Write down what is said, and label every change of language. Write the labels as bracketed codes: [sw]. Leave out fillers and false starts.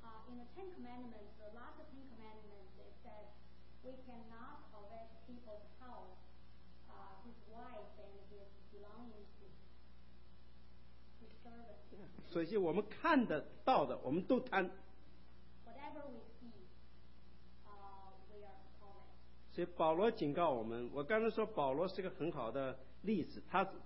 [en] In the Ten Commandments, the last Ten Commandments, it says we cannot covet people's house, his wife and his belongings, his servants. [zh] 所以我们看得到的，我们都贪。 [en] Whatever we see, we are covet. [zh] 所以保罗警告我们，我刚才说保罗是个很好的例子，他。